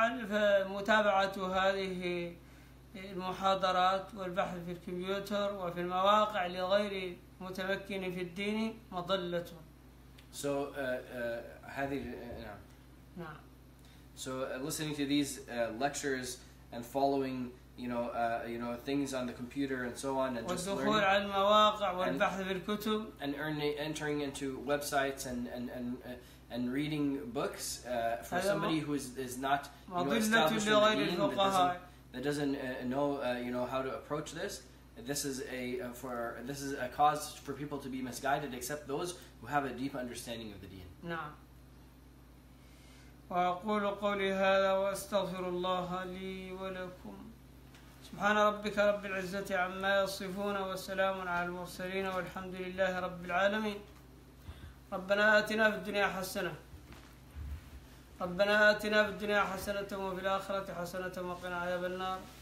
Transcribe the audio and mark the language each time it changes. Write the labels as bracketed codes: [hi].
[ar] فمتابعة هذه المحاضرات والبحث في الكمبيوتر وفي المواقع لغير متمكن في الدين مضلة. [en] So [ar] هذه نعم. [en] So listening to these lectures and following you know things on the computer and so on and just learning. [ar] والدخول على المواقع والبحث في الكتب. [en] And entering into websites and reading books for somebody who is not established in the deen, that doesn't know you know how to approach this. This is a cause for people to be misguided, except those who have a deep understanding of the deen. [ar] وأقول قولي هذا وأستغفر الله لي ولكم. سبحان ربك رب العزة عما يصفون وسلام على المرسلين والحمد لله رب العالمين. ربنا آتنا في الدنيا حسنة. ربنا آتنا في الدنيا حسنة وفي الآخرة حسنة وقنا عذاب النار.